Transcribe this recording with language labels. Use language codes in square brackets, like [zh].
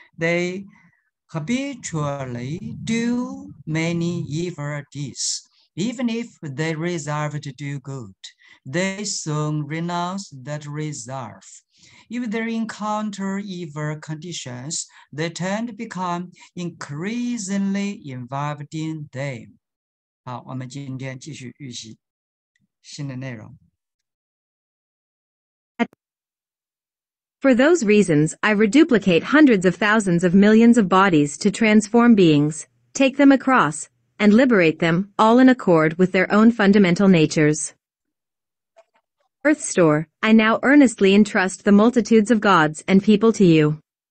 [en] They habitually do many evil deeds. Even if they resolve to do good, they soon renounce that resolve. If they encounter evil conditions, they tend to become increasingly involved in them. [zh] 好，我们今天继续预习新的内容。 [en] For those reasons, I reduplicate hundreds of thousands of millions of bodies to transform beings, take them across, and liberate them, all in accord with their own fundamental natures. Earth store, I now earnestly entrust the multitudes of gods and people to you.